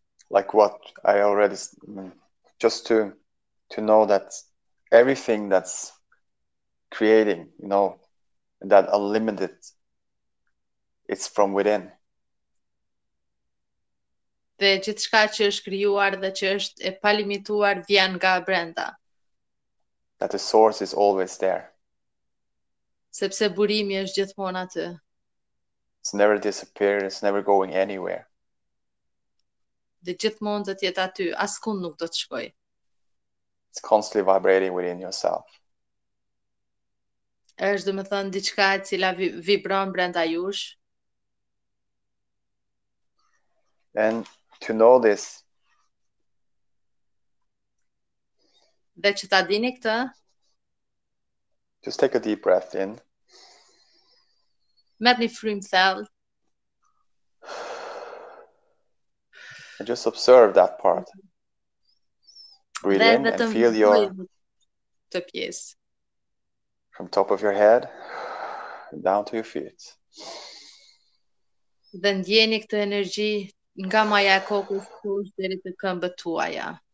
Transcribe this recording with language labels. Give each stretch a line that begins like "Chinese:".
English: Like what I already, just to know that everything that's creating, you know, that unlimited, it's from within.
Albanian: Dhe gjithçka që është krijuar dhe që është e palimituar vjen nga brenda.
English: That the source is always there.
Albanian: Sepse burimi është gjithmonë aty.
English: It's never disappearing, it's never going anywhere.
Albanian: Dhe gjithmonë do të jetë aty, askund nuk do të shkojë.
English: It's constantly vibrating within yourself.
Albanian: Është domethënë diçka e cila vibron brenda jush.
English: And to know this.
Albanian: Dhe që ta dini këtë.
English: Just take a deep breath in.
Albanian: Merrni frymë thellë.
English: And just observe that part. Breathe in and feel your
Albanian: të pjesë.
English: From top of your head down to your feet.
Albanian: Dhe ndjeni këtë energji nga maja e kokës kush deri te këmbët tuaja.